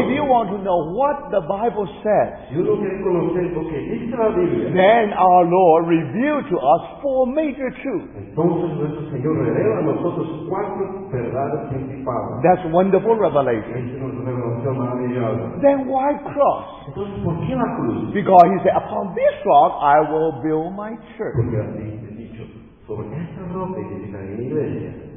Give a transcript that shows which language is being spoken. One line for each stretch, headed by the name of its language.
English: If you want to know what the Bible says,
Spanish: yo no quiero conocer lo que dice la Biblia,
English: then our Lord revealed to us four major truths.
Spanish: Entonces, nuestro Señor revela a nosotros cuatro verdades principales.
English: That's wonderful revelation. Then why cross?
Spanish: Entonces, ¿por qué la cruz?
English: Because he said, upon this rock I will build my church.
Spanish: Porque así he dicho, sobre esta roca edificaré mi iglesia.